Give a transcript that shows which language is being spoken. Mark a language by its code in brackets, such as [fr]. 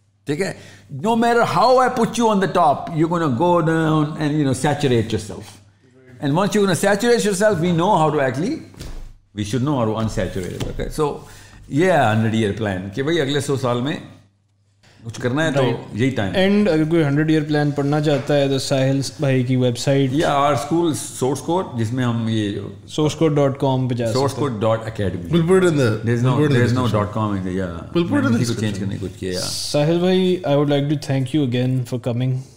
[hi] ठीक है, [en] No matter how I put you on the top, you gonna go down and you know saturate yourself. And once you gonna saturate yourself, we know how to actually We should know our unsaturated. Okay, so yeah, 100-year plan. [hi] कि भाई अगले 100 साल में कुछ करना है तो यही time. And अगर कोई 100-year plan पढ़ना चाहता है तो साहिल भाई की website. [en] Yeah, our school source code [hi] जिसमें हम ये sourcecode.com पे जा सकते हैं. sourcecode.academy. [en] We'll put it in there. There's no .com in there. Yeah. We'll put it in the description. [hi] Change करने कुछ किया. [en] साहिल भाई, I would like to thank you again for coming.